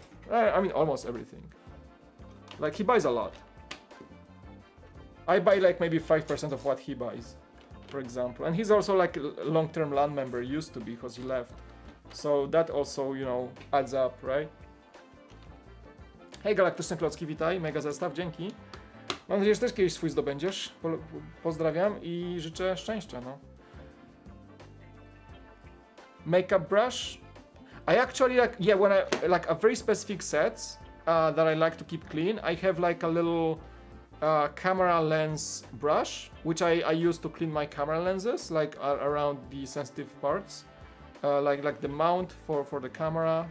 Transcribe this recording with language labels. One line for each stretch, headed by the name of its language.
English: I mean almost everything. Like he buys a lot. I buy like maybe 5% of what he buys, for example. And he's also like a long-term land member, used to be, because he left. So that also, you know, adds up, right?
Polish: Hej, galaktyczne klocki, witaj, mega zestaw, dzięki. Mam nadzieję, że też kiedyś swój zdobędziesz. Pozdrawiam i życzę szczęścia, no.
English: Makeup brush? I actually like, yeah, when I, like a very specific set, that I like to keep clean. I have like a little camera lens brush, which I use to clean my camera lenses, like around the sensitive parts, like the mount for the camera.